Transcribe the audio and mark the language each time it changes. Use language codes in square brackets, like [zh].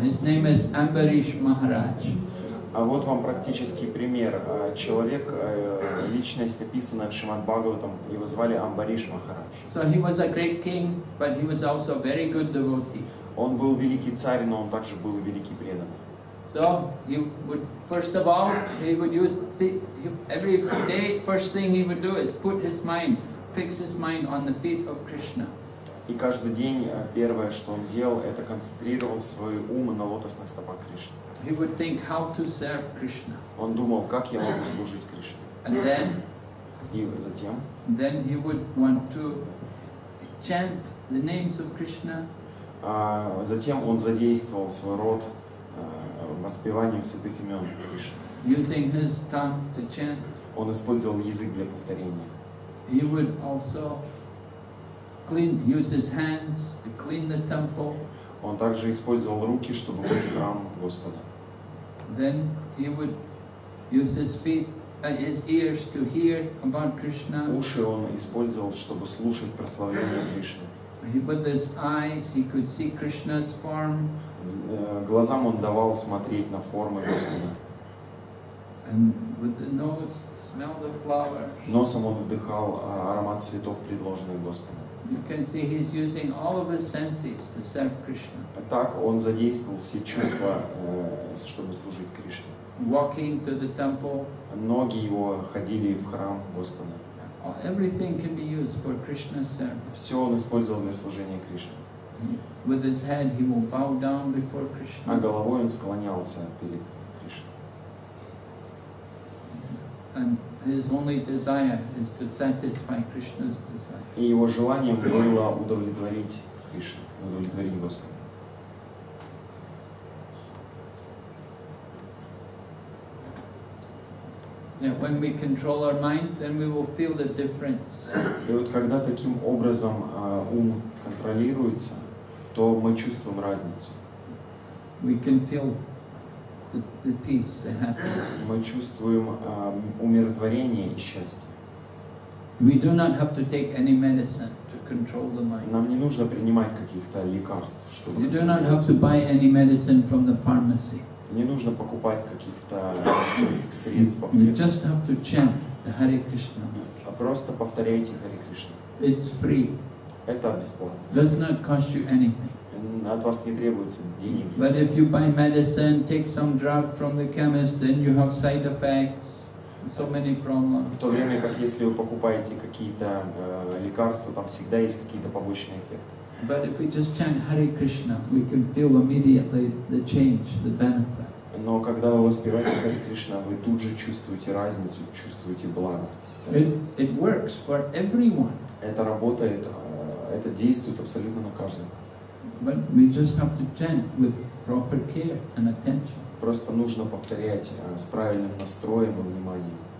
[en] His name is Ambarish Maharaj. [ru] А вот вам практический пример. Человек, личность описанная в Шримад Бхагаватам, его звали Амбариш Махарадж. [en] So he was a great king, but he was also a very good devotee. [ru] Он был великий царь, но он также был и великий преданный. [en] So he would, first of all, he would use every day. First thing he would do is put his mind. Fixes his mind on the feet of Krishna. [ru] И каждый день первое, что он делал, это концентрировал свой ум на лотосных стопах Кришны. [en] He would think how to serve Krishna. [ru] Он думал, как я могу служить Кришне. [en] And then. [ru] И затем. [en] Then he would want to chant the names of Krishna. [ru] Затем он задействовал свой рот воспеванием святых имен Кришны. [en] Using his tongue to chant. [ru] Он использовал язык для повторения. [en] He would also clean, use his hands to clean the temple. [ru] Он также использовал руки, чтобы мыть храм Господа. [en] Then he would use his feet his ears to hear about Krishna. [ru] Уши он использовал, чтобы слушать прославление Кришны. [en] He with his eyes, he could see Krishna's form. [ru] Глазам он давал смотреть на формы Господа. [en] And with the nose, smell the flowers. [ru] Носом он вдыхал аромат цветов, предложенных Господом. [en] You can see he's using all of his senses to serve Krishna. [ru] Так он задействовал все чувства, чтобы служить Кришне. [en] Walking to the temple. [ru] Ноги его ходили в храм Господа. [en] Everything can be used for Krishna's service. [ru] Все он использовал для служения Кришне. [en] With his head, he will bow down before Krishna. [ru] А головой он склонялся перед Кришной. [en] And his only desire is to satisfy Krishna's desire. [ru] И его желание было удовлетворить Кришну, удовлетворить Господа. [en] Yeah, when we control our mind, then we will feel the difference. [ru] И вот когда таким образом ум контролируется, то мы чувствуем разницу. [en] We can feel the peace, the happiness. [ru] Мы чувствуем умиротворение и счастье. [en] We do not have to take any medicine to control the mind. [ru] Нам не нужно принимать каких-то лекарств, чтобы. [en] You do not have to buy any medicine from the pharmacy. [ru] Не нужно покупать каких-то медицинских средств. [en] You just have to chant the Hare Krishna. [ru] А просто повторяйте Hare Krishna. [en] It's free. [ru] Это бесплатно. [en] Does not cost you anything. [ru] От вас не требуется денег. [en] But if you buy medicine, take some drug from the chemist, then you have side effects, so many problems. [ru] В то время как если вы покупаете какие-то лекарства, там всегда есть какие-то побочные эффекты. [en] But if we just chant Hare Krishna, we can feel immediately the change, the benefit. [ru] Но когда вы воспеваете Hare Krishna, вы тут же чувствуете разницу, чувствуете благо. [en] It works for everyone. [ru] Это работает, это действует абсолютно на каждого. [en] But we just have to chant with proper care and attention. [ru] Просто нужно повторять с правильным настроем и вниманием.